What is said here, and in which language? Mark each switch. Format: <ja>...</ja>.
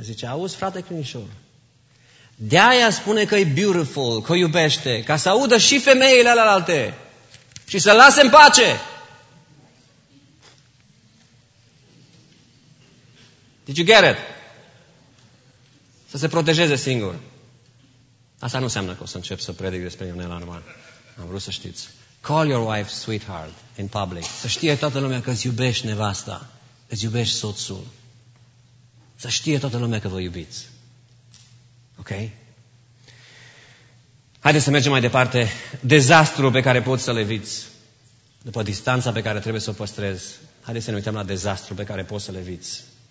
<ro>Zice, auzi, frate Crinișor, de-aia spune că e beautiful, că iubește, ca să audă și femeile alealte și să-l lase în pace.</ro> <en>Did you get it?</en> <ro>Să se protejeze singur. Asta nu înseamnă că o să încep să predic despre Ionela normal. Am vrut să știți.</ro> <en>Call your wife sweetheart in public.</en> <ro>Să știe toată lumea că îți iubești nevasta. Îți iubești soțul. Să știe toată lumea că vă iubiți. Ok? Haideți să mergem mai departe. Dezastrul pe care poți să-l eviți. După distanța pe care trebuie să o păstrezi. Haideți să ne uităm la dezastrul pe care poți să-l eviți.</ro>